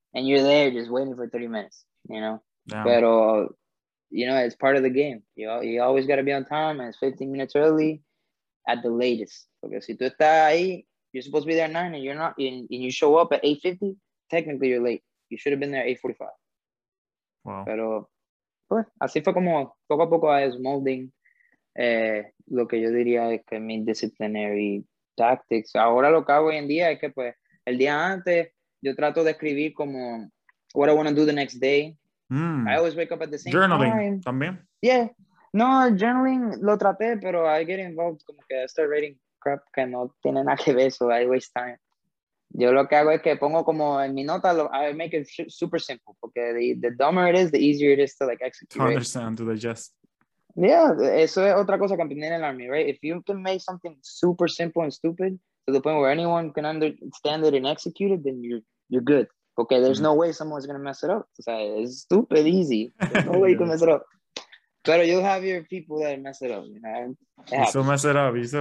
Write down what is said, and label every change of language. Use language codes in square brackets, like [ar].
[en] And you're there just waiting for 30 minutes, you know? Damn. Pero, you know, it's part of the game. You always got to be on time, and it's 15 minutes early at the latest. [es] Porque si tú estás ahí, [en] you're supposed to be there at 9, and you're not, and you show up at 8:50, technically you're late. You should have been there at 8:45. Wow. [es] Pero, pues, así fue como poco a poco [en] I was molding [es] lo que yo diría es que mi disciplinary tactics. Ahora lo que hago hoy en día es que, pues, el día antes... Yo trato de escribir como [en] what I want to do the next day. I always wake up at the same journaling time. [es] Journaling también. [en] Yeah. [es] No, journaling lo traté, pero [en] I get involved. [es] Como que [en] I start writing crap [es] que no tiene nada que ver, [en] so I waste time. [es] Yo lo que hago es que pongo como en mi nota, [en] I make it super simple. Porque the dumber it is, the easier it is to like execute. To understand, to digest. [es] Yeah, eso es otra cosa que aprendí en el army, right? [en] If you can make something super simple and stupid, to the point where anyone can understand it and execute it, then you're good. Okay, there's no way someone's going to mess it up. [es] O sea, [en] it's stupid easy. There's no way you can mess it up. But you'll have your people that mess it up, you know? You still mess it up.